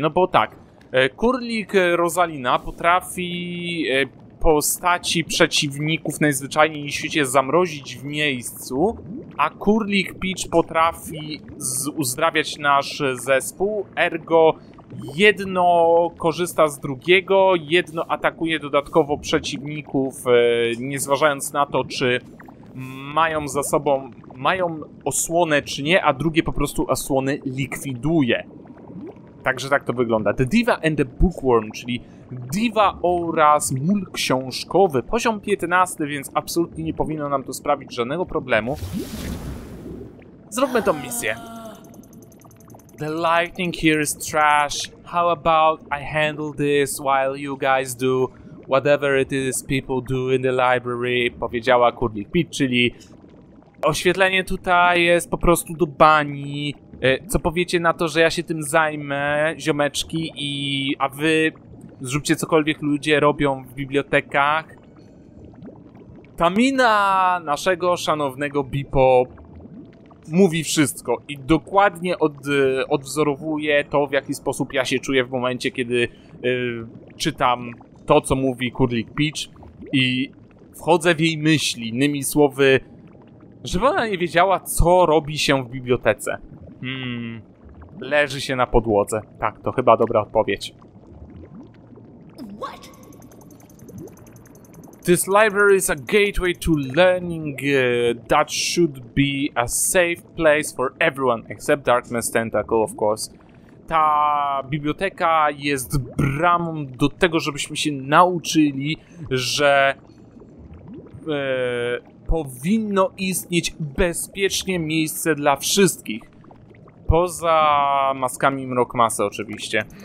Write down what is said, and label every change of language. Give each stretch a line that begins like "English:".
Polish: No bo tak, Kurlik Rosalina potrafi postaci przeciwników najzwyczajniej w świecie zamrozić w miejscu, a Kurlik Peach potrafi uzdrawiać nasz zespół, ergo jedno korzysta z drugiego, jedno atakuje dodatkowo przeciwników, nie zważając na to, czy mają za sobą, mają osłonę czy nie, a drugie po prostu osłony likwiduje. Także tak to wygląda. The Diva and the Bookworm, czyli Diva oraz mól książkowy. Poziom 15, więc absolutnie nie powinno nam to sprawić żadnego problemu. Zróbmy tą misję.
English: The lightning here is trash. How about I handle this while you guys do whatever it is people do in the library?
Polish: Powiedziała Kurlik Peach, czyli oświetlenie tutaj jest po prostu do bani. Co powiecie na to, że ja się tym zajmę, ziomeczki, i a wy zróbcie cokolwiek ludzie robią w bibliotekach. Ta mina naszego szanownego Beepo mówi wszystko i dokładnie odwzorowuje to, w jaki sposób ja się czuję w momencie, kiedy czytam to, co mówi Kurlik Peach, i wchodzę w jej myśli, innymi słowy, żeby ona nie wiedziała, co robi się w bibliotece. Leży się na podłodze. Tak, to chyba dobra odpowiedź.
English: What? This library is a gateway to learning. That should be a safe place for everyone, except Darkness Tentacle, of course.
Polish: Ta biblioteka jest bramą do tego, żebyśmy się nauczyli, że powinno istnieć bezpiecznie miejsce dla wszystkich. Poza maskami Mrok Masy, oczywiście.